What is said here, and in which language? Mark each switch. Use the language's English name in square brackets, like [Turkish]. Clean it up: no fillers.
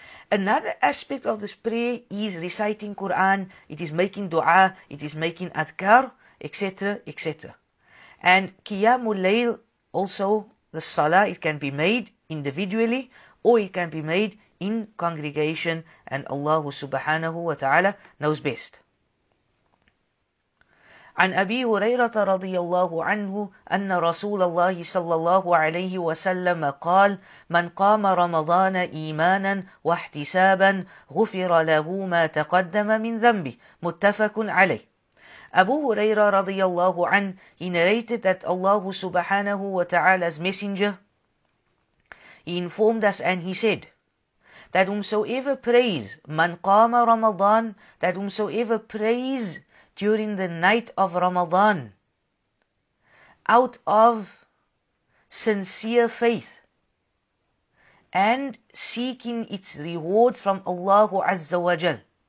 [English] Another aspect of this prayer is reciting Quran, it is making dua, it is making adhkar, etc., etc. And qiyamul layl, also the salah, it can be made individually or it can be made in congregation, and Allah subhanahu wa ta'ala knows best. [Arabic] عن أبي هريرة رضي الله عنه أن رسول الله صلى الله عليه وسلم قال من قام رمضان إيمانا واحتسابا غفر له ما تقدم من ذنبه متفق عليه. [English] أبو هريرة [Arabic] رضي الله عنه, [English] he narrated that Allah سبحانه وتعالى's messenger, he informed us and he said that whomsoever prays [Arabic] من قام رمضان, [English] that whomsoever prays during the night of Ramadan, out of sincere faith and seeking its rewards from Allah Azza wa Jal.